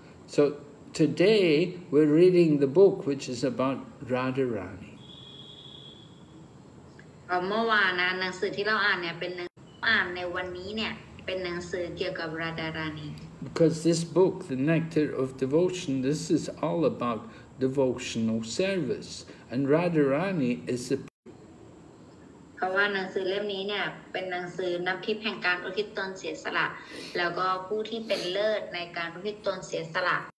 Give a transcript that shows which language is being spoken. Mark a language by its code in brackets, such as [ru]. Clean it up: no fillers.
[en] So today we're reading the book which is about Radharani. [th] เมื่อวานนะหนังสือที่เราอ่านเนี่ยเป็นในวันนี้เนี่ยเป็นหนังสือเกี่ยวกับราดารานี [en] Because this book, The Nectar of Devotion, this is all about devotional service. And Radharani is the... [th] เพราะว่าหนังสือเล่มนี้เนี่ยเป็นหนังสือนักทิพย์แห่งการอุทิศตนเสียสละแล้วก็ผู้ที่เป็นเลิศในการอุทิศตนเสียสละ